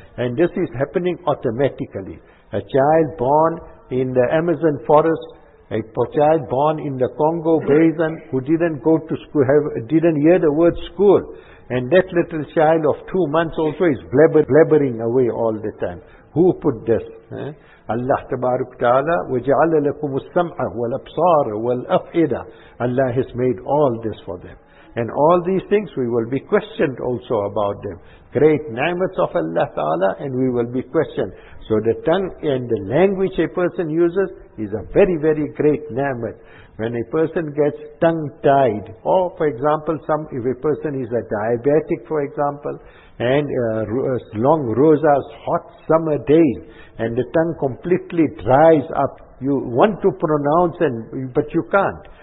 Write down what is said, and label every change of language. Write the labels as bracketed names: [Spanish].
[English] And this is happening automatically. A child born in the Amazon forest, a child born in the Congo Basin who didn't go to school, didn't hear the word school, and that little child of 2 months also is blabbering away all the time. Who put this? [Arabic] Allah tabaruk ta'ala, وَجَعَلَ لَكُمُ السَّمْعَ وَالْأَبْصَارَ وَالْأَفْئِدَ. [English] Allah has made all this for them. And all these things, we will be questioned also about them. Great ni'mats of Allah ta'ala, and we will be questioned. So the tongue and the language a person uses is a very, very great ni'mat. When a person gets tongue-tied, or for example, if a person is a diabetic, for example, and long rosas, hot summer days, and the tongue completely dries up, you want to pronounce, but you can't.